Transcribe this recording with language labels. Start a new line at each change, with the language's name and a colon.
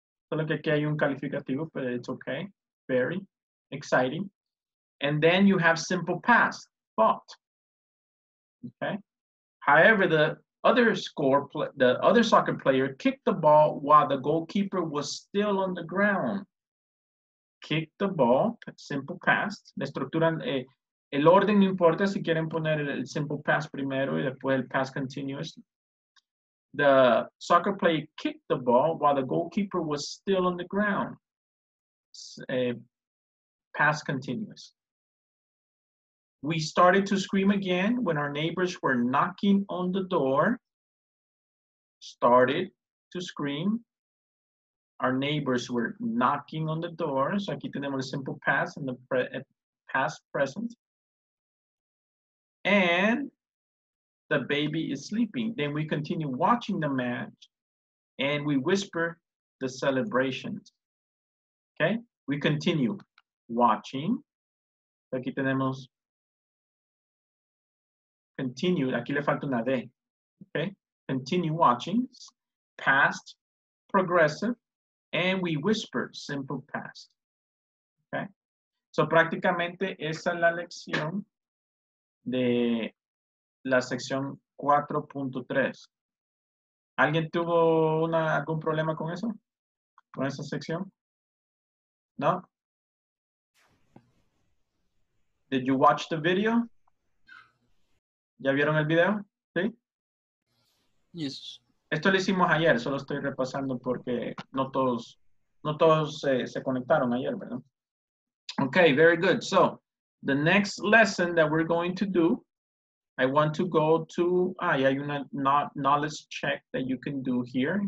Spanish: Solo que aquí hay un calificativo, pero it's okay. Very exciting.
English: And then you have simple past. Thought. Okay? However, the other soccer player kicked the ball while the goalkeeper was still on the ground. Kicked the ball, simple past.
Spanish: La estructura, el orden no importa si quieren poner el simple past primero y después el past continuous.
English: The soccer player kicked the ball while the goalkeeper was still on the ground. Past continuous. We started to scream again when our neighbors were knocking on the door. Started to scream. Our neighbors were knocking on the door. So
Spanish: aquí tenemos
English: a simple past and the past present. And the baby is sleeping. Then we continue watching the match and we whisper the celebrations. Okay? We continue watching. So
Spanish: aquí tenemos. Continue, aquí le falta una D, okay?
English: Continue watching, past, progressive, and we whisper, simple past, okay?
Spanish: So, prácticamente, esa es la lección de la sección 4.3. ¿Alguien tuvo algún problema con eso? ¿Con esa sección? ¿No?
English: Did you watch the video?
Spanish: ¿Ya vieron el video? ¿Sí?
English: Yes.
Spanish: Esto lo hicimos ayer, solo estoy repasando porque no todos se conectaron ayer, ¿verdad?
English: Okay, very good. So, the next lesson that we're going to do, I want to go to,
Spanish: ya hay una
English: knowledge check that you can do here.